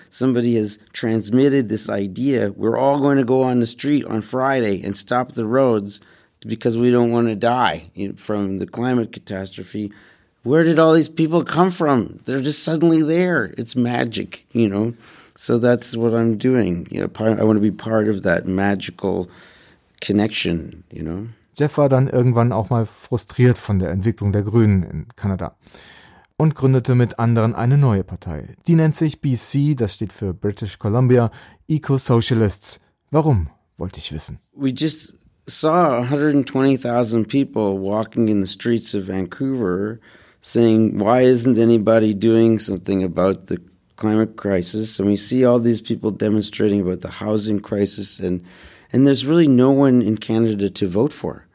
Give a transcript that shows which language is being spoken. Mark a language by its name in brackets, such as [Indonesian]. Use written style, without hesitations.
[English] Somebody has transmitted this idea. We're all going to go on the street on Friday and stop the roads because we don't want to die from the climate catastrophe. Where did all these people come from? They're just suddenly there. It's magic, you know? So that's what I'm doing. You know, I want to be part of that magical connection, you know? [German] Jeff war dann irgendwann auch mal frustriert von der Entwicklung der Grünen in Kanada und gründete mit anderen eine neue Partei. Die nennt sich BC, das steht für British Columbia, Eco-Socialists. Warum, wollte ich wissen. [English] We just saw 120,000 people walking in the streets of Vancouver saying, why isn't anybody doing something about the climate crisis? And we see all these people demonstrating about the housing crisis, and there's really no one in Canada to vote for.